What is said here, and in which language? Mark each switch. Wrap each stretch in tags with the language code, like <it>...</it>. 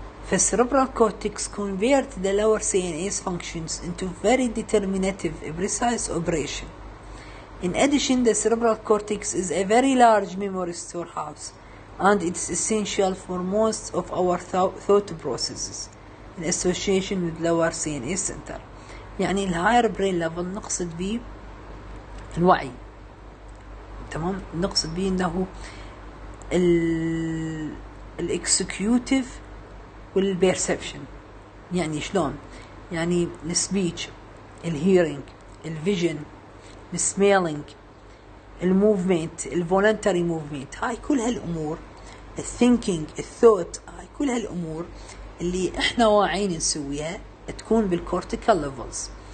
<en>فالسيربرال cortex convert the lower C N S functions into very determinative precise operation. In addition, the cerebral cortex is a very large memory storehouse and it's essential for most of our thought processes in association with lower CNA center.</en> <ar>يعني الـ</ar> <en>higher brain level</en> <ar>نقصد به الوعي. تمام؟ نقصد به انه الـ executive والـ perception. يعني شلون؟ يعني الـ speech، الـ hearing، الـ vision، السميلينج، الموفمنت، الفولنتري موفمنت، هاي كل هالامور، الثينكينج، الثوت، هاي كل هالامور اللي احنا واعيين نسويها تكون بالكورتيكال ليفلز.</ar>